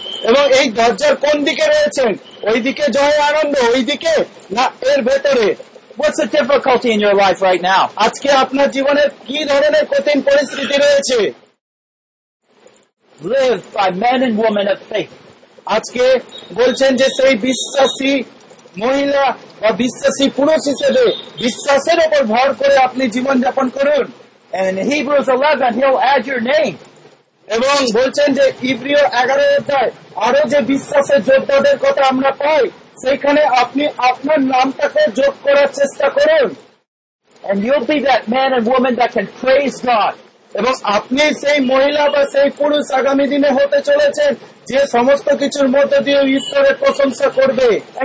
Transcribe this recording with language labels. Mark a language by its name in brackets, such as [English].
[Bangla] এবং এই দরজার কোন দিকে রয়েছেন, ওই দিকে জয় আনন্দ, ওই দিকে না এর ভেতরে? [English] What's the difficulty in your life right now? [Bangla] আজকে আপনার জীবনে কি ধরনের কঠিন পরিস্থিতি রয়েছে? [English] Live by men and women of faith. [Bangla] আজকে বলছেন যে সেই বিশ্বাসী মহিলা বা বিশ্বাসী পুরুষ হিসেবে বিশ্বাসের উপর ভর করে আপনি জীবন যাপন করুন। [English] And Hebrews 11, he'll add your name. [Bangla] এবং বলছেন যে ইব্রীয় 11 অধ্যায় আরো যে বিশ্বাসের যোদ্ধাদের কথা আমরা পাই সেইখানে আপনি আপনার নামটাকে যোগ করার চেষ্টা করুন। [English] And you'll be that man and woman that can praise God. [Bangla] এবং আপনি সেই মহিলা বা সেই পুরুষ আগামী দিনে হতে চলেছেন যে সমস্ত কিছুর মধ্যে দিয়ে ঈশ্বরের প্রশংসা করবে।